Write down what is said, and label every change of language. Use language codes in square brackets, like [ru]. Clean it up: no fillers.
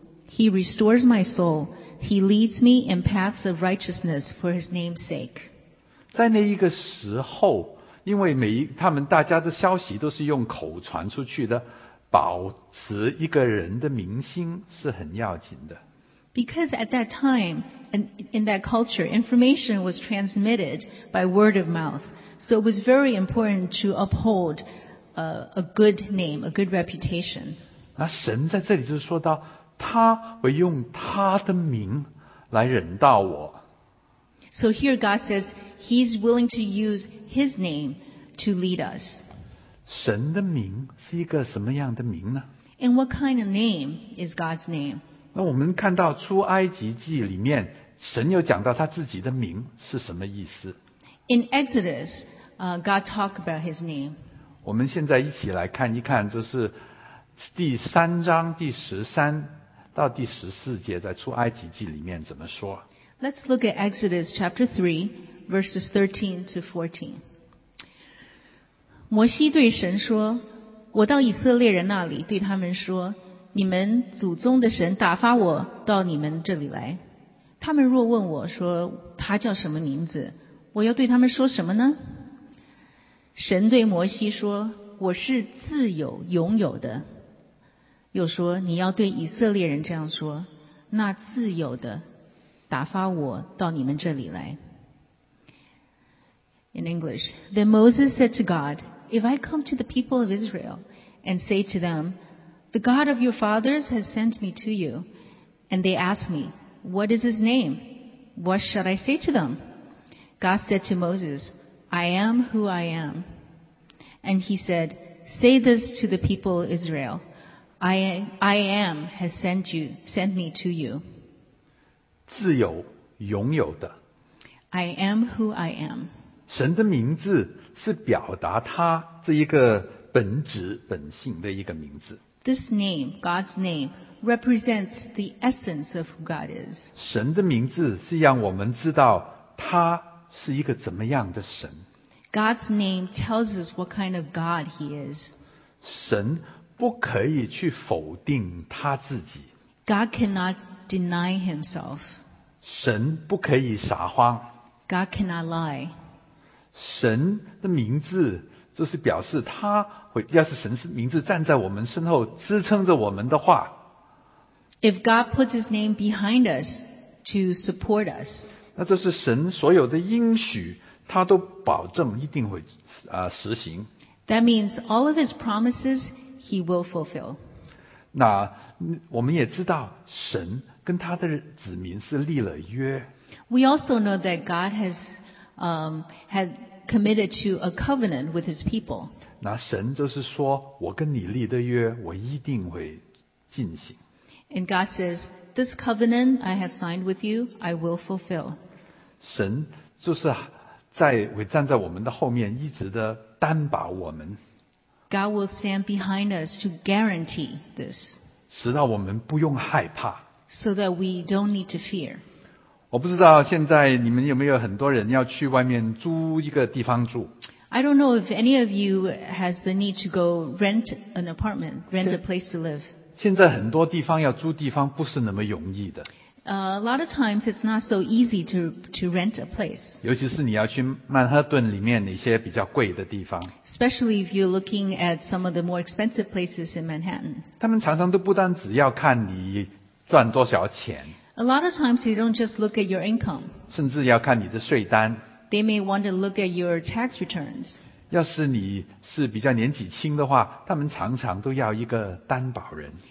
[en] He restores my soul, he leads me in paths of righteousness for his name's sake. [zh] 在那一个时候，因为他们大家的消息都是用口传出去的，保持一个人的名声是很要紧的。 [en] Because at that time, and in that culture, information was transmitted by word of mouth. So it was very important to uphold a good name, a good reputation. [zh] 那神在这里就说到，他会用他的名来引导我。 [en] So here God says He's willing to use His name to lead us. [zh] 神的名是一个什么样的名呢？ [en] And what kind of name is God's name? [zh] 那我们看到出埃及记里面神有讲到他自己的名是什么意思？ [en] In Exodus, God talked about His name. [zh] 我们现在一起来看一看，就是第三章第十三到第十四节，在出埃及记里面怎么说？ [en] Let's look at Exodus chapter 3, verses 13 to 14. [zh] 摩西对神说，我到以色列人那里对他们说，你们祖宗的神打发我到你们这里来。他们若问我说，他叫什么名字，我要对他们说什么呢？神对摩西说，我是自有永有的。又说，你要对以色列人这样说，那自有的打发我到你们这里来。 [en] In English, then Moses said to God, if I come to the people of Israel and say to them, the God of your fathers has sent me to you, and they ask me, what is his name? What should I say to them? God said to Moses, I am who I am. And he said, say this to the people of Israel, I am has sent me to you. [zh] 自有永有的。 [en] I am who I am. [zh] 神的名字是表达他这一个本质本性的一个名字。 [en] This name, God's name, represents the essence of who God is. [zh] 神的名字是让我们知道他是一个怎么样的神。 [en] God's name tells us what kind of God He is. [zh] 神不可以去否定他自己。 [en] God cannot deny Himself. [zh] 神不可以撒谎。 [en] God cannot lie. [zh] 神的名字就是表示他会，要是神的名字站在我们身后支撑着我们的话。 [en] If God puts His name behind us to support us. [zh] 那就是神所有的应许他都保证一定会实行。 [en] That means all of His promises He will fulfill. [zh] 那我们也知道神跟他的子民是立了约。 [en] We also know that God has, had committed to a covenant with His people. [zh] 那神就是说，我跟你立的约，我一定会进行。 [en] And God says, this covenant I have signed with you, I will fulfill. [zh] 神就是在会站在我们的后面，一直的担保我们。 [en] God will stand behind us to guarantee this. [zh] 使到我们不用害怕。 [en] So that we don't need to fear. [zh] 我不知道现在你们有没有很多人要去外面租一个地方住。 [en] I don't know if any of you has the need to go rent an apartment, rent a place to live. [zh] 现在很多地方要租地方不是那么容易的。 [en] A lot of times it's not so easy to rent a place. [zh] 尤其是你要去曼哈顿里面那些比较贵的地方。 [en] Especially if you're looking at some of the more expensive places in Manhattan. [zh] 他们常常都不单只要看你赚多少钱。 [en] A lot of times they don't just look at your income. [zh] 甚至要看你的税单。 [en] They may want to look at your tax returns. [zh] 要是你是比较年纪轻的话，他们常常都要一个担保人。